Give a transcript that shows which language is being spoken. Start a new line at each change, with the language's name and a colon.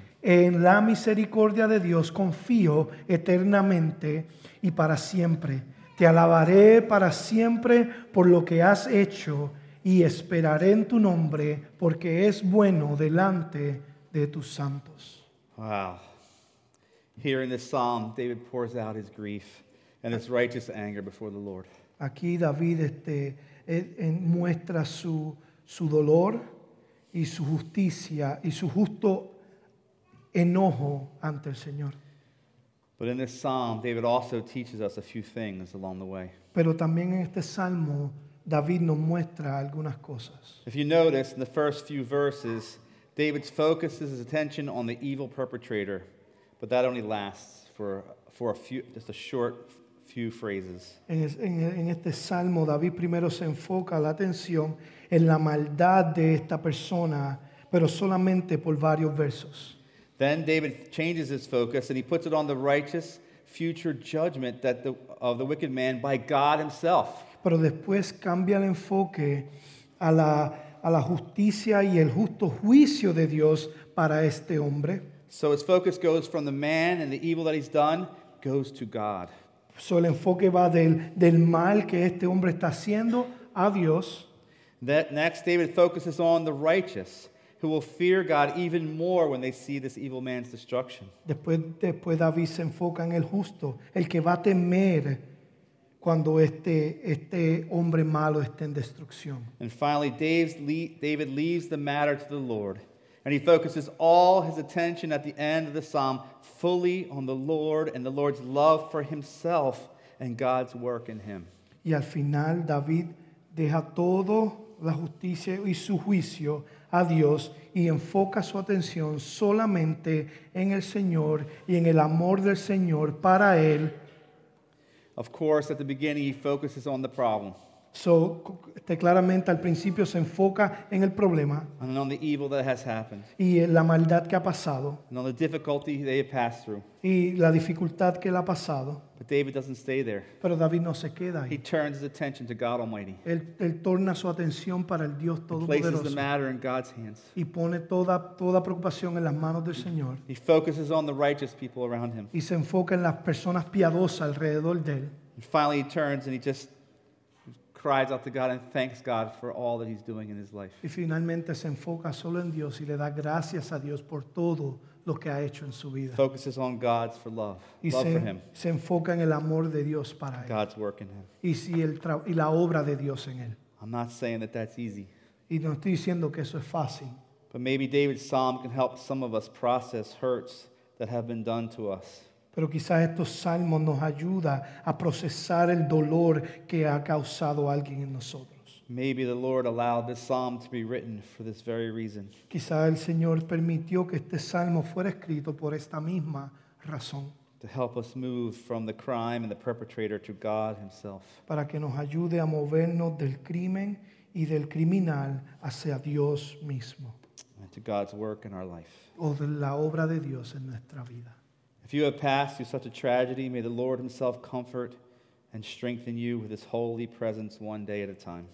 Spanish: En la misericordia de Dios confío eternamente y para siempre. Te alabaré para siempre por lo que has hecho y esperaré en tu nombre porque es bueno delante de tus santos.
English: Wow. Here in this psalm, David pours out his grief and his righteous anger before the Lord.
Spanish: Aquí David muestra su dolor y su justicia y su justo enojo ante el Señor.
English: But in this psalm, David also teaches us a few things along the way.
Spanish: Pero también en este salmo, David nos muestra algunas cosas.
English: If you notice, in the first few verses, David focuses his attention on the evil perpetrator, but that only lasts for a short few phrases.
Spanish: En este salmo, David primero se enfoca la atención en la maldad de esta persona, pero solamente por varios versos.
English: Then David changes his focus and he puts it on the righteous future judgment that of the wicked man by God himself.
Spanish: Pero después cambia el enfoque a la justicia y el justo juicio de Dios para este hombre.
English: So his focus goes from the man and the evil that he's done goes to God.
Spanish: So el enfoque va del mal que este hombre está haciendo a Dios.
English: That next, David focuses on the righteous who will fear God even more when they see this evil man's destruction.
Spanish: Después David se enfoca en el justo, el que va a temer cuando este hombre malo esté en destrucción.
English: And finally, David leaves the matter to the Lord, and he focuses all his attention at the end of the psalm fully on the Lord and the Lord's love for himself and God's work in him.
Spanish: Y al final, David deja todo la justicia y su juicio a Dios y enfoca su atención solamente en el Señor y en el amor del Señor para él.
English: Of course, at the beginning, he focuses on the problem.
Spanish: So, claramente al principio se enfoca en el problema.
English: And on the evil that has happened.
Spanish: Y la maldad que ha pasado.
English: And on the difficulty they have passed through.
Spanish: Y la dificultad que él ha pasado.
English: But David doesn't stay there.
Spanish: Pero David no se queda ahí.
English: He turns his attention to God Almighty.
Spanish: Él torna su atención para el Dios Todopoderoso.
English: He places the matter in God's hands.
Spanish: Y pone toda preocupación en las manos del Señor.
English: He focuses on the righteous people around him.
Spanish: Y se enfoca en las personas piadosas alrededor de él.
English: And finally he turns and he just cries out to God and thanks God for all that he's doing in his life.
Spanish: Y finalmente se enfoca solo en Dios y le da gracias a Dios por todo lo que ha hecho en su vida.
English: Focuses on God's for love. Y love for him.
Spanish: Se enfoca en el amor de Dios para él.
English: God's work in him.
Spanish: Y si el y la obra de Dios en él.
English: I'm not saying that that's easy.
Spanish: Y no estoy diciendo que eso es fácil.
English: But maybe David's psalm can help some of us process hurts that have been done to us.
Spanish: Pero quizás estos salmos nos ayudan a procesar el dolor que ha causado alguien en nosotros.
English: Maybe the Lord allowed this psalm to be written for this very reason.
Spanish: Quizás el Señor permitió que este salmo fuera escrito por esta misma razón.
English: To help us move from the crime and the perpetrator to God himself.
Spanish: Para que nos ayude a movernos del crimen y del criminal hacia Dios mismo.
English: And to God's work in our life.
Spanish: O de la obra de Dios en nuestra vida.
English: If you have passed through such a tragedy, may the Lord himself comfort and strengthen you with his holy presence one day at a time.